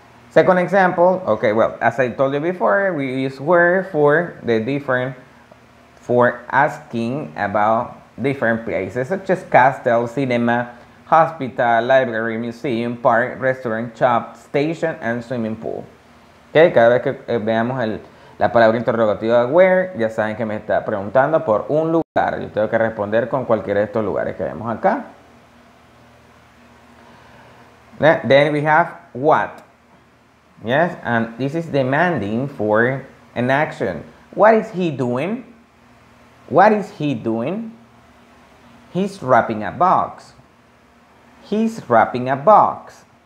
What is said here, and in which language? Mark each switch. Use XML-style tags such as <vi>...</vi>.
<en>Second example, ok, well, as I told you before, we use where for the different, for asking about different places, such as castle, cinema, hospital, library, museum, park, restaurant, shop, station, and swimming pool. Ok,</en> <es>cada vez que veamos La palabra interrogativa where, ya saben que me está preguntando por un lugar. Yo tengo que responder con cualquiera de estos lugares que vemos acá.</es> <en>Then we have what. Yes, and this is demanding for an action. What is he doing? What is he doing? He's wrapping a box. He's wrapping a box.</en>